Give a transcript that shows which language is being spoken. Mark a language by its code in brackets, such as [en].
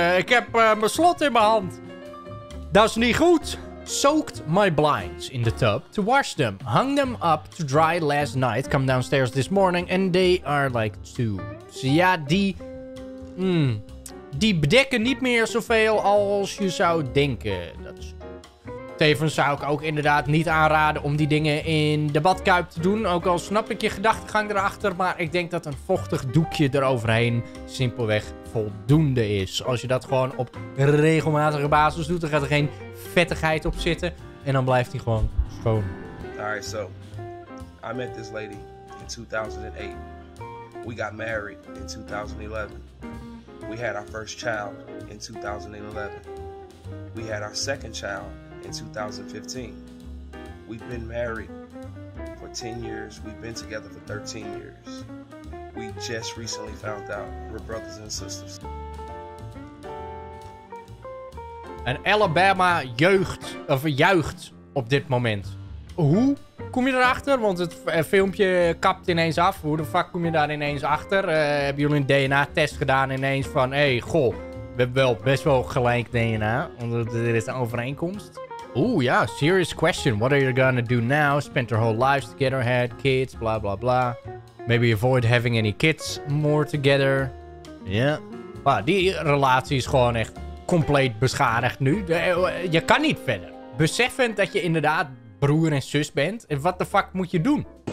[nl] Ik heb mijn slot in mijn hand. Dat is niet goed. [en] Soaked my blinds in the tub to wash them. Hung them up to dry last night. Come downstairs this morning and they are like two. [nl] So ja, die... die bedekken niet meer zoveel als je zou denken. Dat is... Tevens zou ik ook inderdaad niet aanraden om die dingen in de badkuip te doen. Ook al snap ik je gedachtegang erachter. Maar ik denk dat een vochtig doekje eroverheen simpelweg voldoende is. Als je dat gewoon op regelmatige basis doet, dan gaat er geen vettigheid op zitten. En dan blijft hij gewoon schoon. [en] Alright, so. I met this lady in 2008. We got married in 2011. We had our first child in 2011. We had our second child in 2015. We've been married for 10 years. We've been together for 13 years. We just recently found out we're brothers and sisters. [nl] En Alabama jeugd, of juicht op dit moment. Hoe kom je erachter? Want het filmpje kapt ineens af. Hoe de fuck kom je daar ineens achter? Hebben jullie een DNA-test gedaan ineens van... Hey, goh, we hebben wel best wel gelijk DNA. Omdat er is een overeenkomst. [en] Oeh, ja, serious question. What are you gonna do now? Spend your whole lives together, had kids, bla bla bla. Maybe avoid having any kids more together. Ja. Yeah. [nl] Ah, die relatie is gewoon echt compleet beschadigd nu. Je kan niet verder. Beseffend dat je inderdaad broer en zus bent. En [en] what the fuck [nl] moet je doen?